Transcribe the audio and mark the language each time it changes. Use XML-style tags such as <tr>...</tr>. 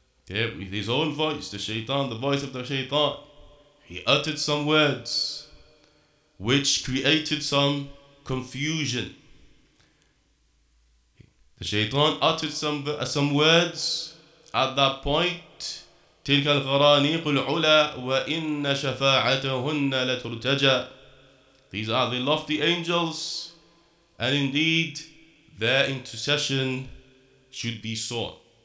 <en>Okay, with his own voice, the voice of the shaitan, he uttered some words which created some confusion. The shaitan uttered some words at that point.</en> <ar>تلك الغرانيق العلا وإن شفاعتهن لترتجى.</ar> <en>These are the lofty angels, and indeed their intercession should be sought.</en>